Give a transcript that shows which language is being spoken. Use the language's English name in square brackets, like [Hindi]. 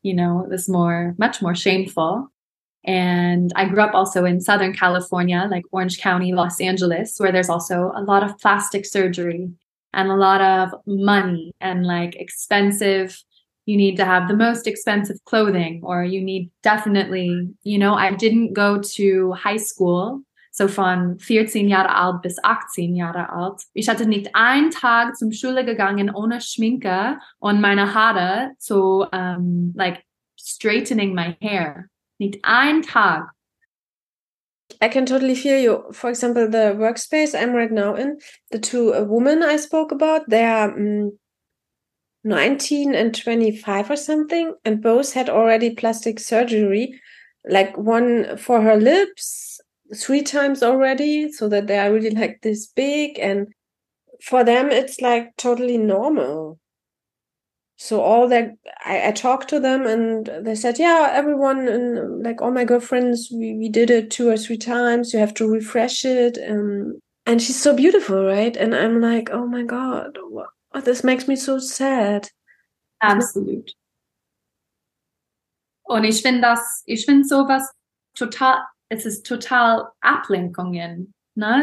[English] You know, it was more, much more shameful. And I grew up also in Southern California, like Orange County, Los Angeles, where there's also a lot of plastic surgery. And a lot of money and like expensive, you need to have the most expensive clothing, or you need definitely, you know, I didn't go to high school. [German] So von 14 Jahre alt bis 18 Jahre alt. Ich hatte nicht einen Tag zum Schule gegangen ohne Schminke und meine Haare zu, [English] like, straightening my hair. [German] Nicht einen Tag. [English] I can totally feel you. For example, the workspace I'm right now in, the two women I spoke about, they are 19 and 25 or something, and both had already plastic surgery, like one for her lips, 3 times already, so that they are really like this big. And for them, it's like totally normal. So all that I talked to them and they said, yeah, everyone and like all my girlfriends, we did it 2 or 3 times. You have to refresh it. And she's so beautiful, right? And I'm like, oh my God, what, this makes me so sad. Absolute. [German] Und ich finde sowas total, es ist total Ablenkungen, ne?